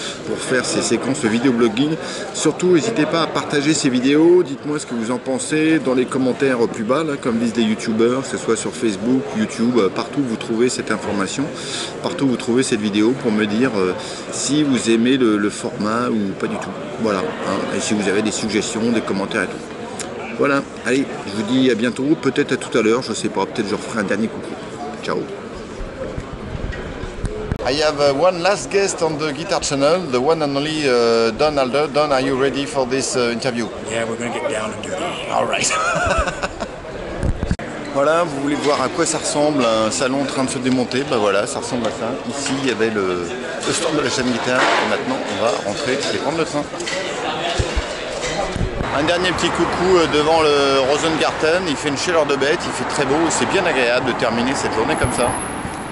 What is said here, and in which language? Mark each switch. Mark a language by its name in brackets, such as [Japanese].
[French] pour faire ces séquences de vidéoblogging. Surtout, n'hésitez pas à partager ces vidéos, dites-moi ce que vous en pensez dans les commentaires plus bas, là, comme disent les youtubeurs, que ce soit sur Facebook, YouTube, partout où vous trouvez cette information, partout où vous trouvez cette vidéo, pour me dire si vous aimez le format ou pas du tout. Voilà, hein, et si vous avez des suggestions, des commentaires et tout. Voilà, allez, je vous dis à bientôt, peut-être à tout à l'heure, je sais pas, peut-être je referai un dernier coucou. Ciao. [English] I have one last guest on the Guitar Channel, the one and only Don Aldo. Don, are you ready for this interview? Yeah, we're going to get down and dirty. All right. [French] Voilà, vous voulez voir à quoi ça ressemble un salon en train de se démonter? Ben voilà, ça ressemble à ça. Ici, il y avait le stand de la chaîne Guitar, et maintenant, on va rentrer et prendre le train. Un dernier petit coucou devant le Rosengarten, il fait une chaleur de bête, il fait très beau, c'est bien agréable de terminer cette journée comme ça.